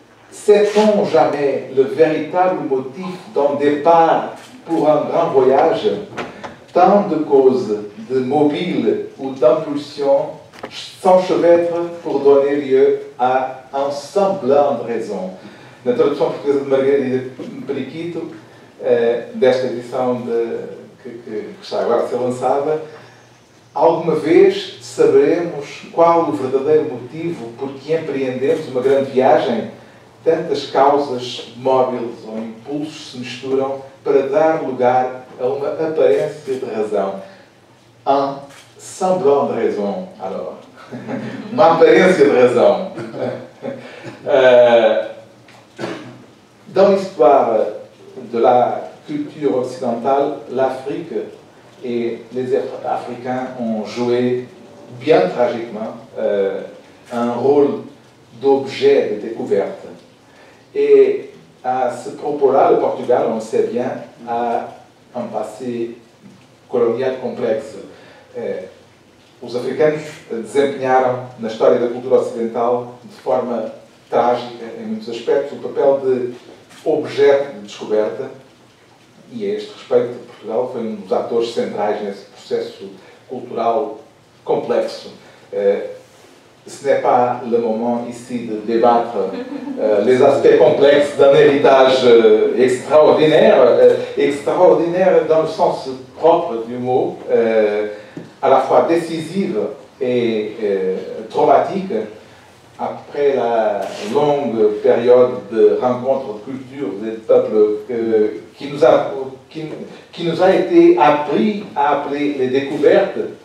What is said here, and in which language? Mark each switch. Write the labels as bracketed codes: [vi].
[fr] Sait-on jamais le véritable motif d'un départ pour un grand voyage? Tant de causes, de mobiles ou d'impulsions s'enchevêtrent pour donner lieu à un semblant de raison. [pt] Na tradução portuguesa de Margarida Periquito, desta edição que está agora a ser lançada, alguma vez saberemos qual o verdadeiro motivo por que empreendemos uma grande viagem? Tantas causas móveis ou impulsos se misturam para dar lugar a uma aparência de razão. [fr] Un semblant de raison, alors. Une apparence de raison. Dans l'histoire de la culture occidentale, l'Afrique et les Africains ont joué, bien tragiquement, un rôle d'objet de découverte. Et à ce propos-là, le Portugal, on le sait bien, a un passé colonial complexe. [pt] Os africanos desempenharam na história da cultura ocidental de forma trágica, em muitos aspectos, o papel de objeto de descoberta, e a este respeito Portugal foi um dos atores centrais nesse processo cultural complexo. [fr] Ce n'est pas le moment ici de débattre les aspects complexes d'un héritage extraordinaire, extraordinaire dans le sens propre du mot, à la fois décisive et traumatique, après la longue période de rencontres de cultures, des peuples qui nous a été appris à appeler les découvertes.